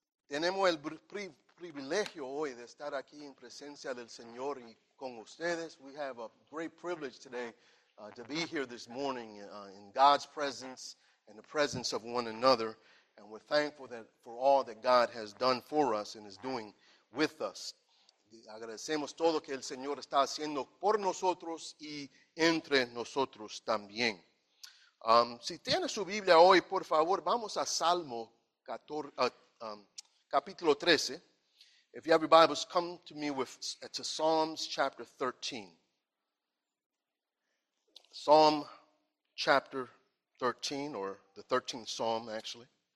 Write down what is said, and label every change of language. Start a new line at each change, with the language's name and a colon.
Spanish: Tenemos el privilegio hoy de estar aquí en presencia del Señor y con ustedes.
English: We have a great privilege today to be here this morning in God's presence and the presence of one another. And we're thankful that for all that God has done for us and is doing with us.
Spanish: Agradecemos todo que el Señor está haciendo por nosotros y entre nosotros también. Si tiene su Biblia hoy, por favor, vamos a Salmo 14, capítulo 13.
English: If you have your Bibles, come to me with to Psalms chapter 13. Psalm chapter 13, or the 13th Psalm, actually.